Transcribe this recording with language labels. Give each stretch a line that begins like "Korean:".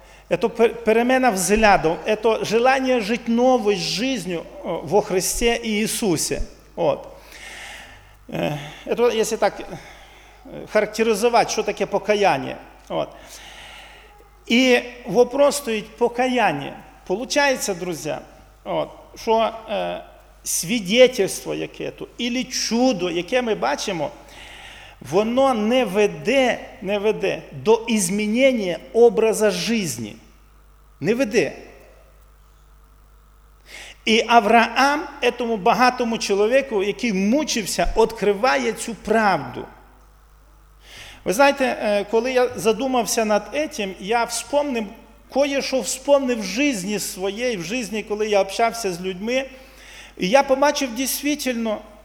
Ukrainian: Це перемена взглядів, це желання жити новою життю во Христі і Ісусі. От.
Russian: Это, если так характеризовать, что такое покаяние. Вот. И вопрос стоит покаяние. Получается, друзья, вот, что свидетельство какое-то или чудо,
Ukrainian: яке ми бачимо, воно не веде до
Russian: изменения образа жизни.
Ukrainian: Не веде. І Авраам цьому багатому чоловіку, який мучився, відкриває цю правду. Ви знаєте, коли я задумався над цим, я вспомнив, кое-що вспомнив в житті своєї, в житті, коли я общався з людьми, і я побачив дійсно,